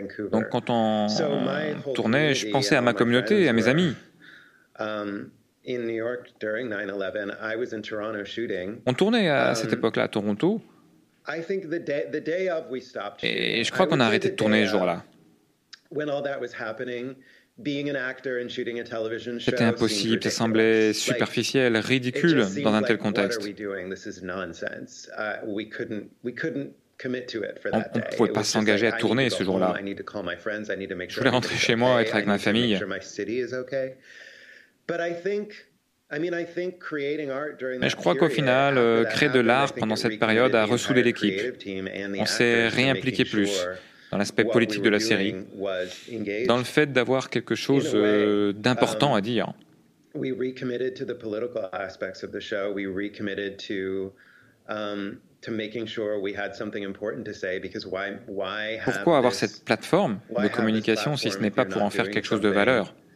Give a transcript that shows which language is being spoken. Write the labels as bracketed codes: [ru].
[fr] Donc quand on tournait, je pensais à ma communauté, à mes amis. [en] In New York during 9/11, I was in Toronto shooting. [fr] On tournait à cette époque-là à Toronto. [en] I think the day of we stopped. [fr] Et je crois qu'on a arrêté de tourner ce jour-là. [en] When all that was happening, being an actor and shooting a television show, [fr] c'était impossible. Ça semblait superficiel, ridicule dans un tel contexte. [en] What are we doing? This is nonsense. We couldn't commit to it for that day. [fr] On ne pouvait pas s'engager à tourner ce jour-là. [en] I need to call my friends. I need to make sure. [fr] Je voulais rentrer chez moi, être avec ma famille. [en] Make sure my city is okay. But I think creating art during [fr] Mais je crois qu'au final, créer de l'art pendant cette période a ressoudé l'équipe. On s'est réimpliqué plus dans l'aspect politique de la série, dans le fait d'avoir quelque chose d'important à dire. [en] We recommitted to the political aspects of the show. We recommitted to making sure we had something important to say, because why have [fr] Pourquoi avoir cette plateforme de communication si ce n'est pas pour en faire quelque chose de valeur?